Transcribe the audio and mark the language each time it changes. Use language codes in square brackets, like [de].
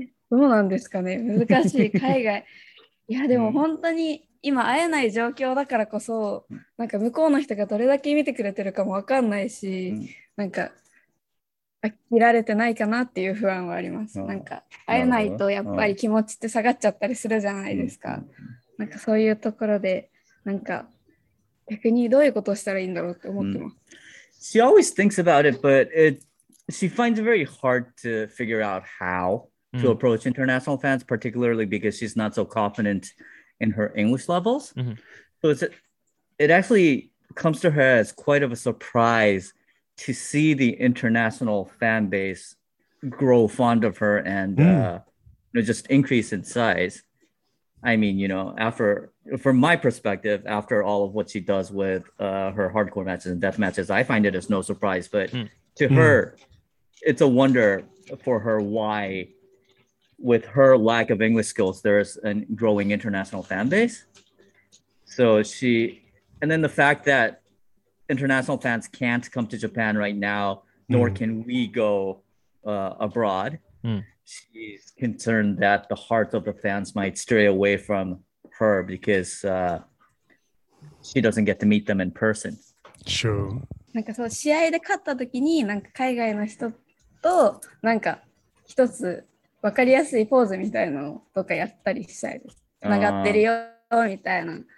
[ja] どうなんですかね難しい海外いやでも本当に今会えない状況だからこそなんか向こうの人がどれだけ見てくれてるかも分かんないし、うん、なんか飽きられてないかなっていう不安はあります。なんか会えないとやっぱり気持ちって下がっちゃったりするじゃないですか、うん、なんかそういうところでなんか逆にどういうことをしたらいいんだろうって思ってます、うん、 [en] She always thinks about it but it, she finds it very hard to figure out howto approach international fans, particularly because she's not so confident in her English levels. Mm-hmm. So it actually comes to her as quite of a surprise to see the international fan base grow fond of her and you know, just increase in size. I mean, you know, after, from my perspective, after all of what she does with her hardcore matches and death matches, I find it as no surprise. But to her, it's a wonder for her why... with her lack of English skills, there's a growing international fan base. So she, and then the fact that international fans can't come to Japan right now, nor can we go abroad. She's concerned that the hearts of the fans might stray away from her because she doesn't get to meet them in person. Sure. [ja] なんかそう、試合で勝った時に、なんか海外の人と、なんか一つ、わかりやすいポーズみたいなのとかやったりしたいです。つながってるよみたいな。